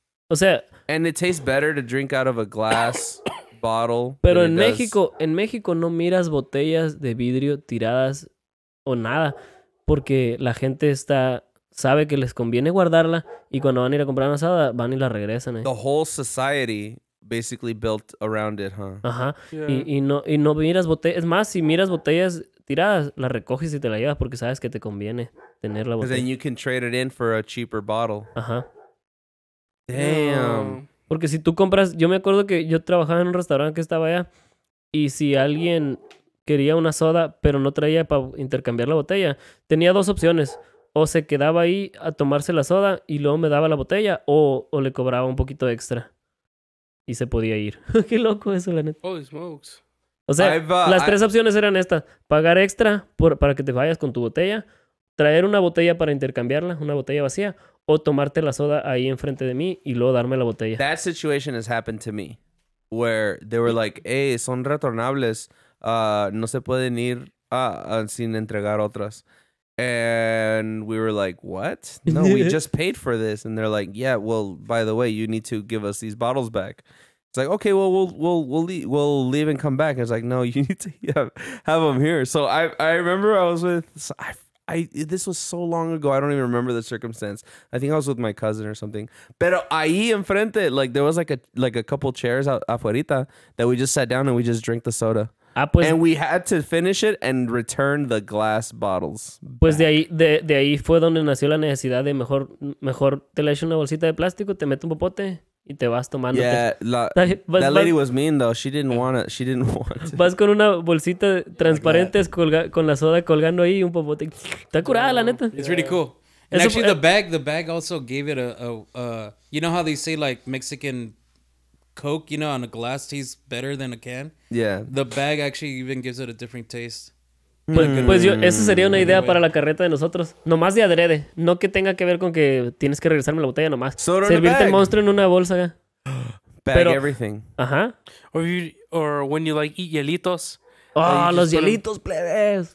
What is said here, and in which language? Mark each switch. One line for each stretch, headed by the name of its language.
Spanish: O sea...
English: And it tastes better to drink out of a glass bottle.
Spanish: Pero en México, no miras botellas de vidrio tiradas o nada. Porque la gente sabe que les conviene guardarla. Y cuando van a ir a comprar una asada, van y la regresan.
English: The whole society basically built around it, huh?
Spanish: Ajá.
English: Yeah.
Spanish: Y no miras botellas. Es más, si miras botellas tiradas, la recoges y te la llevas porque sabes que te conviene tener la botella.
English: Then you can trade it in for a cheaper bottle.
Spanish: Ajá.
English: Damn.
Spanish: Porque si tú compras, yo me acuerdo que yo trabajaba en un restaurante que estaba allá y si alguien quería una soda pero no traía para intercambiar la botella, tenía dos opciones: o se quedaba ahí a tomarse la soda y luego me daba la botella, o le cobraba un poquito extra y se podía ir. Qué loco eso, la neta.
English: Holy smokes.
Spanish: O sea, tres opciones eran estas: pagar extra para que te vayas con tu botella, traer una botella para intercambiarla, una botella vacía, o tomarte la soda ahí enfrente de mí y luego darme la botella.
English: That situation has happened to me, where they were like, hey,
Spanish: son retornables, no se pueden ir sin entregar otras.
English: And we were like, what? No, we just paid for this. And they're like, yeah, well, by the way, you need to give us these bottles back. It's like, okay, well, we'll leave and come back. And it's like, no, you need to have them here. So I remember I was with... This was so long ago. I don't even remember the circumstance. I think I was with my cousin or something.
Spanish: Pero ahí enfrente,
English: like, there was like a couple chairs
Spanish: afuerita
English: that we just sat down and we just drank the soda.
Spanish: Ah, pues,
English: and we had to finish it and return the glass bottles.
Spanish: Pues de ahí fue donde nació la necesidad de mejor te le echo una bolsita de plástico, te meto un popote y te vas tomando.
English: Yeah, that lady was mean though. She didn't want it.
Spanish: Vas con una bolsita transparente con la soda colgando ahí y un popote. Está curada, la neta.
English: It's really cool. And actually, the bag also gave it you know how they say like Mexican Coke, you know, on a glass tastes better than a can? Yeah. The bag actually even gives it a different taste.
Spanish: Esa sería una idea para la carreta de nosotros. Nomás de adrede. No que tenga que ver con que tienes que regresarme la botella nomás. Soda. Servirte el monstruo en una bolsa.
English: Bag everything.
Spanish: Ajá.
English: Or when you like eat hielitos,
Spanish: Oh, los hielitos, plebes.